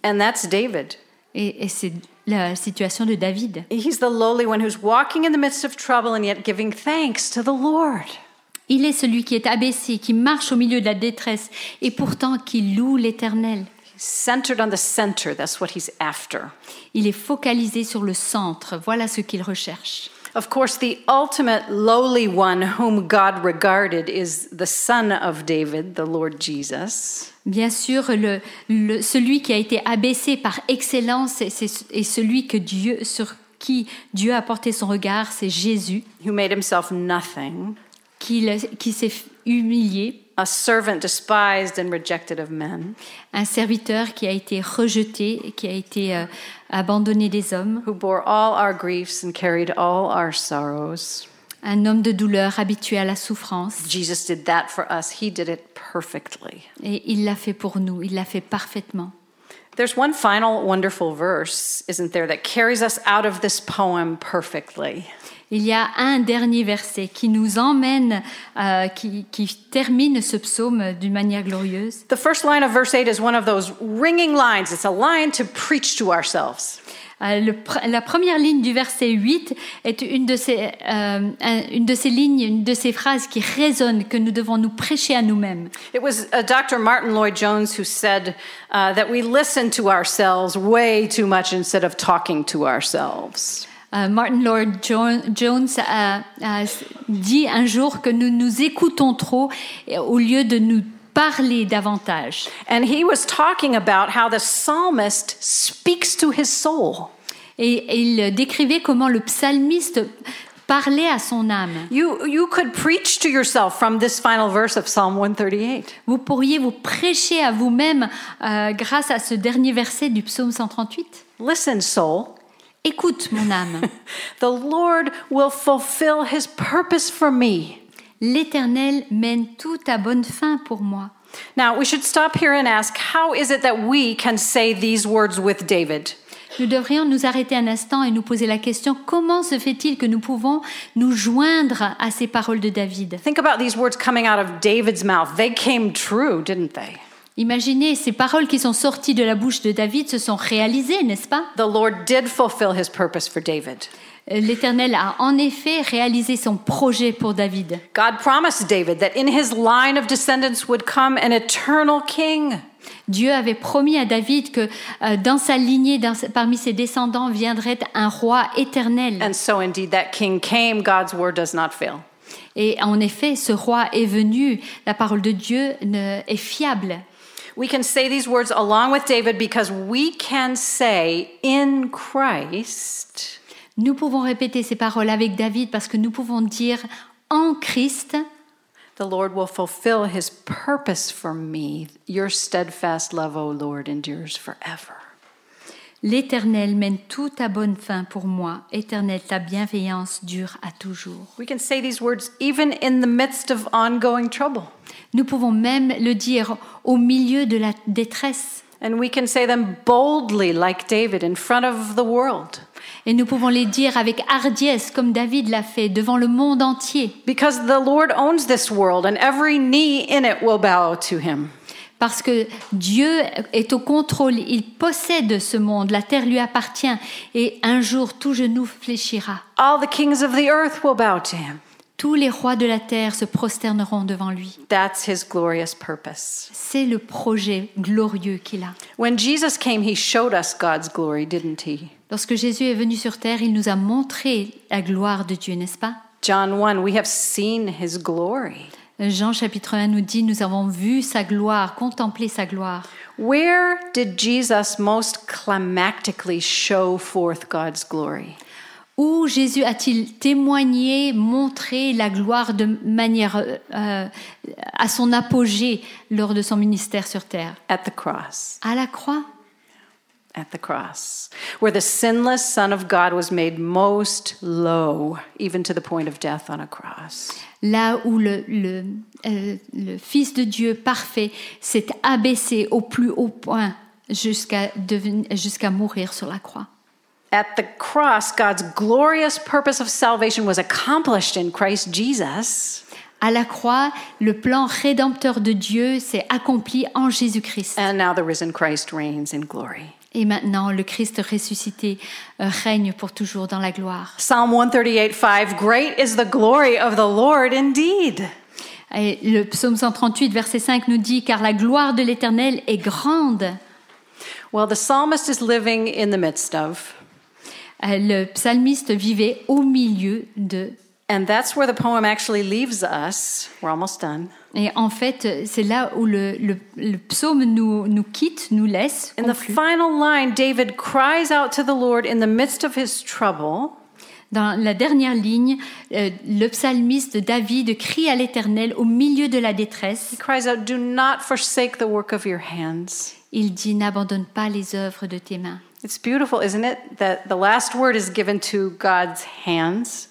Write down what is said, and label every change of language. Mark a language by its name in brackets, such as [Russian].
[English] And that's David. [French] Et c'est la situation de David. [English] He's the lowly one who's walking in the midst of trouble and yet giving thanks to the Lord. [French] Il est celui qui est abaissé, qui marche au milieu de la détresse et pourtant qui loue l'Éternel. [English] Centered on the center, that's what he's after. [French] Il est focalisé sur le centre, voilà ce qu'il recherche. [English] Of course, the ultimate lowly one whom God regarded is the son of David, the Lord Jesus. [French] Bien sûr, celui qui a été abaissé par excellence est celui que Dieu, sur qui Dieu a porté son regard, c'est Jésus. [English] Who made himself nothing. [French] Qui s'est humilié. [English] A servant despised and rejected of men. [French] Un serviteur qui a été rejeté, qui a été abandonné des hommes. [English] Who bore all our griefs and carried all our sorrows. [French] un homme de douleur habitué à la souffrance. [English] Jesus did that for us. He did it perfectly. [French] Et il l'a fait pour nous, il l'a fait parfaitement. [English] There's one final wonderful verse, isn't there, that carries us out of this poem perfectly. [French] Il y a un dernier verset qui nous emmène, qui termine ce psaume d'une manière glorieuse. [English] The first line of verse 8 is one of those ringing lines. It's a line to preach to ourselves. [French] La première ligne du verset 8 est une de ces phrases qui résonnent, que nous devons nous prêcher à nous-mêmes. [English] It was Dr. Martin Lloyd-Jones who said that we listen to ourselves way too much instead of talking to ourselves. [French] Martin Lloyd-Jones a dit un jour que nous nous écoutons trop au lieu de nous parler davantage. [English] And he was talking about how the psalmist speaks to his soul. [French] Et il décrivait comment le psalmiste parler à son âme. [English] You could preach to yourself from this final verse of Psalm 138. [French] Vous pourriez vous prêcher à vous-même grâce à ce dernier verset du psaume 138. [English] Listen, soul. [French] Écoute, mon âme. [English] The Lord will fulfill his purpose for me. [French] L'Éternel mène tout à bonne fin pour moi. [English] Now, we should stop here and ask, how is it that we can say these words with David? [French] Nous devrions nous arrêter un instant et nous poser la question, comment se fait-il que nous pouvons nous joindre à ces paroles de David? [English] Think about these words coming out of David's mouth. They came true, didn't they? [French] Imaginez, ces paroles qui sont sorties de la bouche de David se sont réalisées, n'est-ce pas? [English] The Lord did fulfill his purpose for David. [French] L'Éternel a en effet réalisé son projet pour David. [English] God promised David that in his line of descendants would come an eternal king. [French] Dieu avait promis à David que dans sa lignée, parmi ses descendants, viendrait un roi éternel. [English] And so indeed that king came, God's word does not fail. [French] Et en effet, ce roi est venu, la parole de Dieu est fiable. [English] We can say these words along with David because we can say in Christ. [French] Nous pouvons répéter ces paroles avec David parce que nous pouvons dire en Christ. [English] The Lord will fulfill his purpose for me. Your steadfast love, O Lord, endures forever. [French] L'Éternel mène tout à bonne fin pour moi. Éternel, ta bienveillance dure à toujours. [English] We can say these words even in the midst of ongoing trouble. [French] Nous pouvons même le dire au milieu de la détresse. [English] And we can say them boldly like David in front of the world. [French] Et nous pouvons les dire avec hardiesse comme David l'a fait devant le monde entier. [English] Because the Lord owns this world and every knee in it will bow to him. [French] Parce que Dieu est au contrôle, il possède ce monde, la terre lui appartient et un jour tout genou fléchira. [English] All the kings of the earth will bow to him. [French] Tous les rois de la terre se prosterneront devant lui. [English] That's his glorious purpose. [French] C'est le projet glorieux qu'il a. [English] When Jesus came, he showed us God's glory, didn't he? [French] Lorsque Jésus est venu sur terre, il nous a montré la gloire de Dieu, n'est-ce pas? [English] John 1, we have seen his glory. [French] Jean chapitre 1 nous dit, nous avons vu sa gloire, contemplé sa gloire. [English] Where did Jesus most climactically show forth God's glory? [French] Où Jésus a-t-il témoigné, montré la gloire de manière à son apogée lors de son ministère sur terre? [English] At the cross. [French] À la croix. [English] At the cross, where the sinless Son of God was made most low, even to the point of death on a cross. [French] Là où le Fils de Dieu parfait s'est abaissé au plus haut point jusqu'à mourir sur la croix. [English] At the cross, God's glorious purpose of salvation was accomplished in Christ Jesus. [French] À la croix, le plan rédempteur de Dieu s'est accompli en Jésus-Christ. [English] And now the risen Christ reigns in glory. [French] Et maintenant, le Christ ressuscité règne pour toujours dans la gloire. [English] Psalm 138:5, great is the glory of the Lord indeed. [French] Et le psaume 138, verset 5 nous dit, car la gloire de l'Éternel est grande. [English] Well, the psalmist is living in the midst of. [French] Le psalmiste vivait au milieu de. [English] And that's where the poem actually leaves us. We're almost done. [French] Et en fait, c'est là où le psaume nous quitte, nous laisse. [English] In the final line, David cries out to the Lord in the midst of his trouble. [French] Dans la dernière ligne, le psalmiste David crie à l'Éternel au milieu de la détresse. [English] He cries out, "Do not forsake the work of your hands." [French] Il dit, n'abandonne pas les œuvres de tes mains. [English] It's beautiful, isn't it, that the last word is given to God's hands?